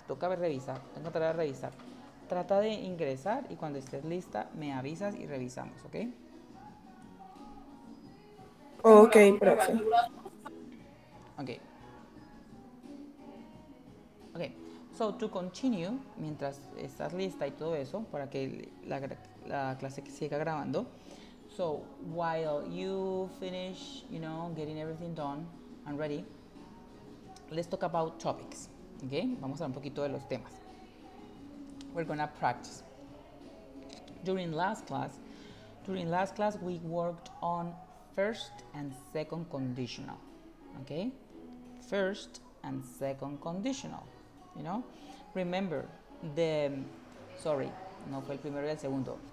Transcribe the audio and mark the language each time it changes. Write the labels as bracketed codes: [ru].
[es] Toca revisar, tengo que revisar. Trata de ingresar y cuando estés lista me avisas y revisamos, ¿ok? Ok, profe. Ok. Ok, [en] So to continue, [es] mientras estás lista y todo eso, para que la clase que siga grabando. [en] So while you finish, you know, getting everything done and ready, let's talk about topics. [es] Okay, vamos a hablar un poquito de los temas. [en] We're gonna practice. During last class, we worked on first and second conditional. Okay, first and second conditional. You know, remember the, sorry, [es] no fue el primero y el segundo.